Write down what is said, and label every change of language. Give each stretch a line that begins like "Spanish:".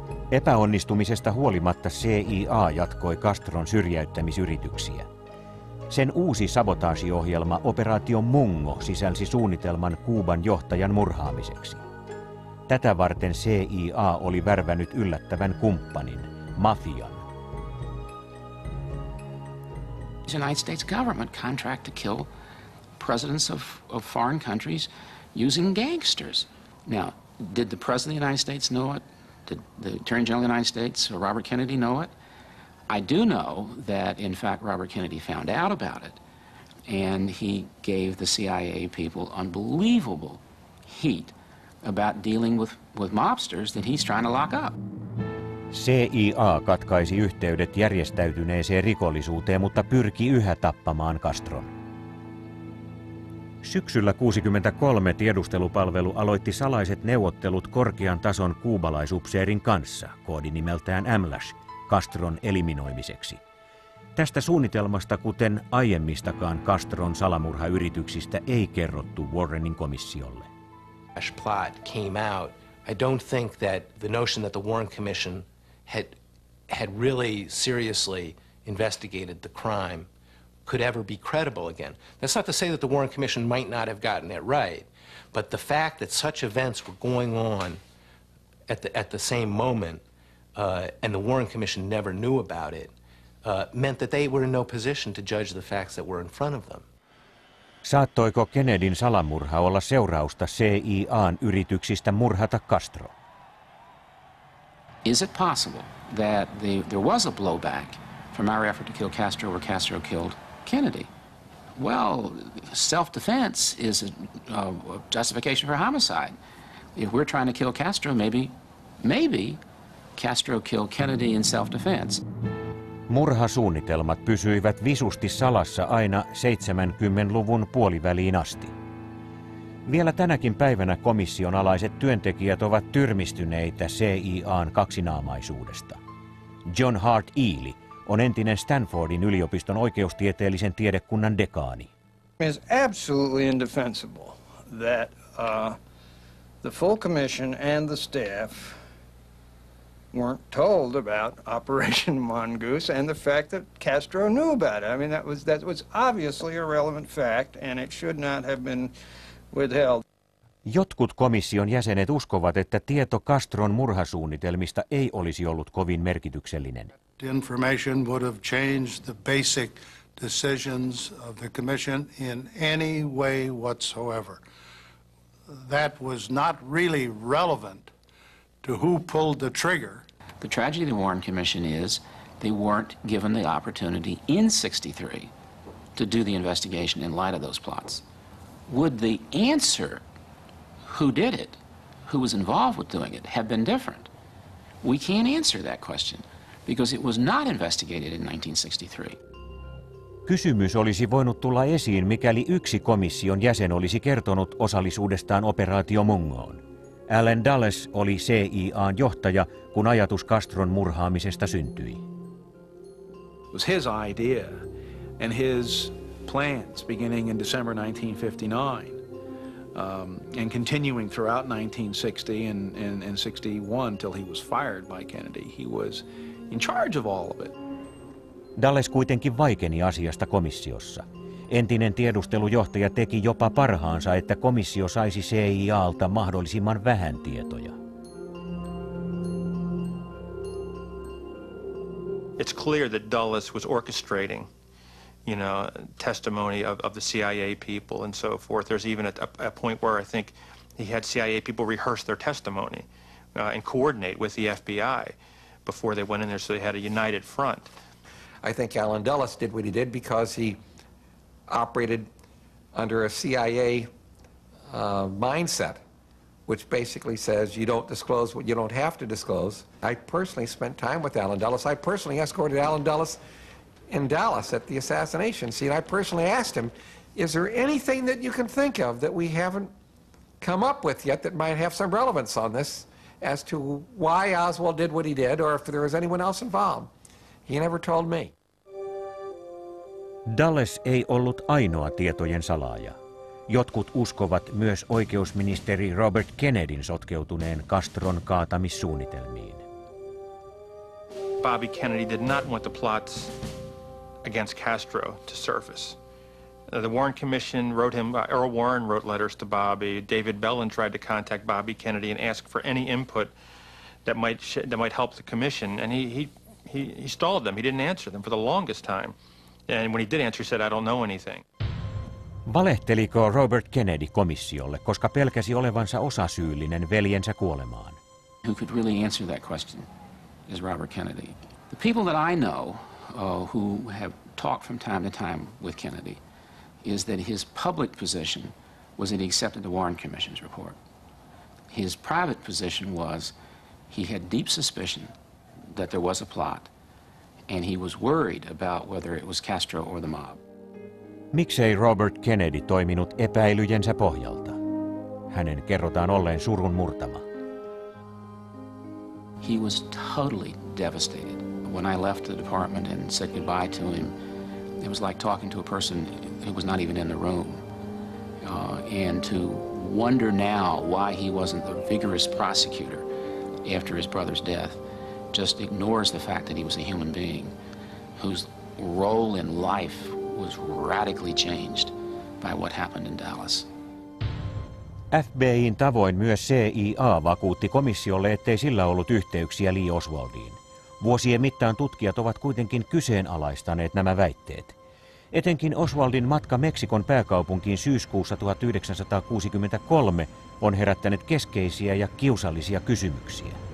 Finnish: Epäonnistumisesta huolimatta CIA jatkoi Castron syrjäyttämisyrityksiä. Sen uusi sabotaasiohjelma Operaatio Mungo sisälsi suunnitelman Kuuban johtajan murhaamiseksi. Tätä varten CIA oli värvännyt yllättävän kumppanin, mafian.
English: The United States government contract to kill presidents of foreign countries using gangsters. Now, did the president of the United States know it? Did the Attorney General of the United States or Robert Kennedy know it? I do know that, in fact, Robert Kennedy found out about it, and he gave the CIA people unbelievable heat about dealing with mobsters that he's trying to lock up.
Finnish: CIA katkaisi yhteydet järjestäytyneeseen rikollisuuteen, mutta pyrki yhä tappamaan Castron. Syksyllä 1963 tiedustelupalvelu aloitti salaiset neuvottelut korkean tason kuubalaisupseerin kanssa, koodinimeltään Amlash, Castron eliminoimiseksi. Tästä suunnitelmasta, kuten aiemmistakaan Castron salamurhayrityksistä, ei kerrottu Warrenin komissiolle.
English: Amlash plot came out. I don't think that the notion that the Warren Commission had really seriously investigated the crime could ever be credible again. That's not to say that the Warren Commission might not have gotten it right, but the fact that such events were going on at the same moment and the Warren Commission never knew about it meant that they were in no position to judge the facts that were in front of them.
Finnish: Saattoiko Kennedyn salamurha olla seurausta CIA:n yrityksistä murhata Castro?
English: Is it possible that there was a blowback from our effort to kill Castro where Castro killed Kennedy? Well, self-defense is a justification for homicide. If we're trying to kill Castro, maybe Castro killed Kennedy in self-defense.
Finnish: Murhasuunnitelmat pysyivät visusti salassa aina 70-luvun puoliväliin asti. Vielä tänäkin päivänä komission alaiset työntekijät ovat tyrmistyneitä CIA:n kaksinaamaisuudesta. John Hart Ealy on entinen Stanfordin yliopiston oikeustieteellisen tiedekunnan dekaani.
English: It's absolutely indefensible that the full commission and the staff weren't told about Operation Mongoose and the fact that Castro knew about it. I mean, that was obviously a relevant fact and it should not have been withheld.
Finnish: Jotkut komission jäsenet uskovat, että tieto Castron murhasuunnitelmista ei olisi ollut kovin merkityksellinen.
English: Information would have changed the basic decisions of the commission in any way whatsoever. That was not really relevant to who pulled the trigger. The tragedy of the Warren Commission is they weren't given the opportunity in 63 to do the investigation in light of those plots. Would the answer, who did it, who was involved with doing it, have been different? We can't answer that question. Because it was not investigated in 1963.
Finnish: Kysymys olisi voinut tulla esiin, mikäli yksi komission jäsen olisi kertonut osallisuudestaan operaatio Mungoon. Alan Dulles oli CIA:n johtaja, kun ajatus Castron murhaamisesta syntyi.
English: It was his idea and his plans beginning in December 1959 and continuing throughout 1960 and 61 till he was fired by Kennedy. He was in charge of all of it.
Finnish: Dulles kuitenkin vaikeni asiasta komissiossa. Entinen tiedustelujohtaja teki jopa parhaansa, että komissio saisi CIA:lta mahdollisimman vähän tietoja.
English: It's clear that Dulles was orchestrating you know, testimony of the CIA people and so forth. There's even a point where I think he had CIA people rehearse their testimony and coordinate with the FBI before they went in there, so they had a united front. I think Alan Dulles did what he did because he operated under a CIA mindset, which basically says you don't disclose what you don't have to disclose. I personally spent time with Alan Dulles. I personally escorted Alan Dulles in Dallas at the assassination scene. I personally asked him, is there anything that you can think of that we haven't come up with yet that might have some relevance on this as to why Oswald did what he did or if there was anyone else involved? He never told me.
Finnish: Dulles ei ollut ainoa tietojen salaaja. Jotkut uskovat myös oikeusministeri Robert Kennedyn sotkeutuneen Castron kaatamissuunnitelmiin.
English: Bobby Kennedy did not want the plots against Castro to surface. The Warren Commission wrote him, Earl Warren wrote letters to Bobby. David Bellin tried to contact Bobby Kennedy and ask for any input that might help the commission. And he stalled them. He didn't answer them for the longest time. And when he did answer, he said, I don't know anything.
Finnish: Valehteliko Robert Kennedy komissiolle, koska pelkäsi olevansa osasyyllinen veljensä kuolemaan?
English: Who could really answer that question is Robert Kennedy. The people that I know who have talked from time to time with Kennedy is that his public position was that he accepted the Warren Commission's report. His private position was he had deep suspicion that there was a plot, and he was worried about whether it was Castro or the mob.
Finnish: Miksei Robert Kennedy toiminut epäilyjensä pohjalta? Hänen kerrotaan olleen surun murtama.
English: He was totally devastated. When I left the department and said goodbye to him, it was like talking to a person who was not even in the room. And to wonder now why he wasn't the vigorous prosecutor after his brother's death just ignores the fact that he was a human being whose role in life was radically changed by what happened in Dallas.
Finnish: FBI:n tavoin myös CIA vakuutti komissiolle, ettei sillä ollut yhteyksiä Lee Oswaldiin. Vuosien mittaan tutkijat ovat kuitenkin kyseenalaistaneet nämä väitteet. Etenkin Oswaldin matka Meksikon pääkaupunkiin syyskuussa 1963 on herättänyt keskeisiä ja kiusallisia kysymyksiä.